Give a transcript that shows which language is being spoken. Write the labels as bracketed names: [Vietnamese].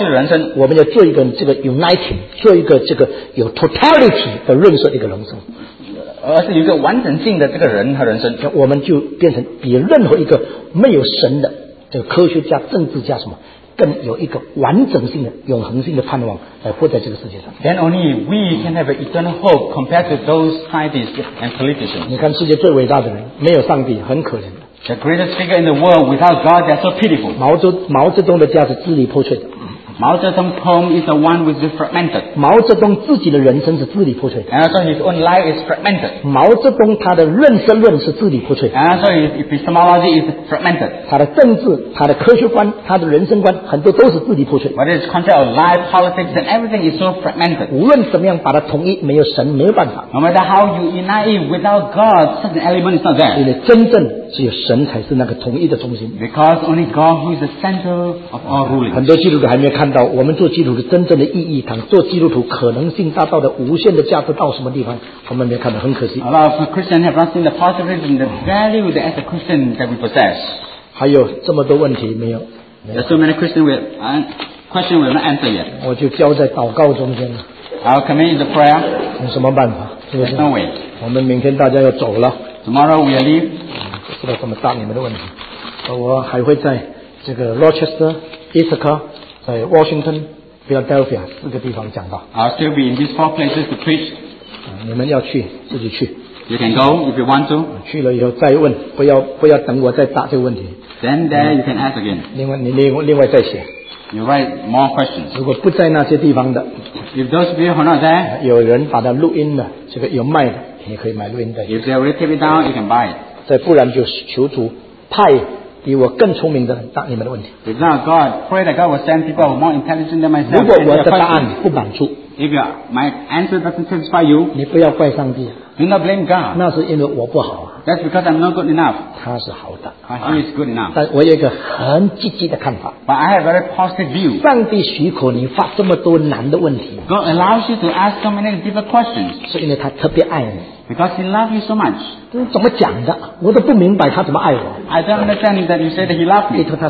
[Chinese] fragmental的人生，我们就不能够有一个支离破碎的人生，我们要做一个这个 united，做一个这个有 totality 的认识的一个人生，而是有一个完整性的这个人和人生，我们就变成比任何一个没有神的这个科学家、政治家什么更有一个完整性的、永恒性的盼望来活在这个世界上。 [English] Then only we can have an eternal hope compared to those scientists and politicians. [Chinese] 你看世界最伟大的人，没有上帝，很可怜。 [English] The greatest figure in the world without God, they are so pitiful. [Chinese] 毛泽东的家是支离破碎的。 [English] Mao Zedong's home is the one which is fragmented. [Chinese] 毛泽东自己的人生是支离破碎的。 [English] And so his own life is fragmented. [Chinese] 毛泽东他的认识论是支离破碎的。 [English] And so his epistemology is fragmented. [Chinese] 他的政治、他的科学观、他的人生观，很多都是支离破碎。 [English] But his concept of life, politics, and everything is so fragmented. [Chinese] 无论怎么样把它统一，没有神没有办法。 [English] No matter how you unite it without God, such an element is not there. [Chinese] 因为真正只有神才是那个统一的中心。 [English] Because only God who is the center of all ruling. [Chinese] 很多基督徒还没有。看到我们做基督徒真正的意义，当做基督徒可能性大道的无限的价值到什么地方，我们没看到，很可惜。 [English] A lot of Christians have not seen the possibility and the value that as a Christian that we possess. [Chinese] 还有这么多问题没有？ [English] There are so many Christians questions we have not answered yet. [Chinese] 我就交在祷告中间了。 [English] I'll commit the prayer. [Chinese] 有什么办法？是不是？ [English] No way. [Chinese] 我们明天大家要走了。 [English] Tomorrow we leave. [Chinese] 不知道怎么答你们的问题。我还会在这个 Rochester, Ithaca. 在 Washington, Philadelphia 四个地方讲道。 [English] I'll still be in these four places to preach. [Chinese] 你们要去，自己去。 [English] You can go if you want to. [Chinese] 去了以后再问，不要等我再答这个问题。 [English] Then there you can ask again. [Chinese] 另外再写。 [English] You write more questions. [Chinese] 如果不在那些地方的， [English] If those people are not there, [Chinese] 有人把它录音了，这个有卖的，你可以买录音的。 [English] If they already tape it down, you can buy it. [Chinese] 再不然就求主派。比我更聪明的人答你们的问题。 [English] If not God, pray that God will send people who are more intelligent than myself. [Chinese] 如果我的答案不满足， [English] If you are, my answer doesn't satisfy you, [Chinese] 你不要怪上帝。 [English] Do not blame God. [Chinese] 那是因为我不好。 [English] That's because I'm not good enough. [Chinese] 他是好的。 [English] He is good enough. [Chinese] 但我有一个很积极的看法。 [English] But I have a very positive view. [Chinese] 上帝许可你发这么多难的问题。 [English] God allows you to ask so many difficult questions. [Chinese] 是因为他特别爱你。 [English] Because he loves you so much. [Chinese] 怎么讲的？我都不明白他怎么爱我。 [English] I don't understand that you say that he loves me.